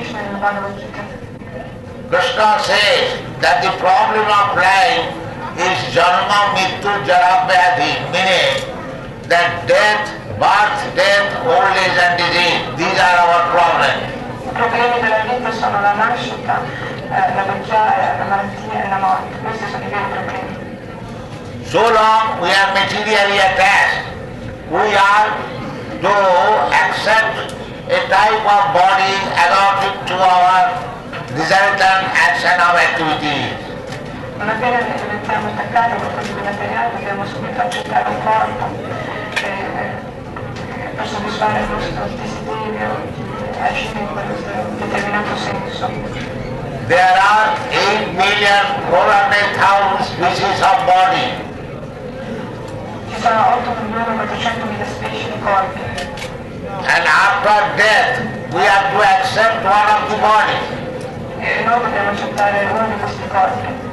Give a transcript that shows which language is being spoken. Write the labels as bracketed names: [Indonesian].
[English] Krishna says that the problem of life is [Sanskrit] janma mitu jarabhyadhi, [English] meaning that death, birth, death, old age and disease, these are our problems. [Italian] Problemi della vita sono problemi sono la nascita, la vecchiaia, la malattia e la morte. Questi sono i veri problemi. [English] So long we are materially attached. We are, though, accept a type of body adapted to our resultant action of activities. [Italian] Non appena diventiamo attaccati a qualcosa di materiale, dobbiamo subito accettare un corpo per soddisfare il nostro desiderio, agire in questo determinato senso. [English] There are 8,400,000 species of body. [Italian] Ci sono 8,400,000 specie di corpi. [English] And after death, we have to accept one of the bodies. [Italian] E noi dobbiamo accettare uno di questi corpi.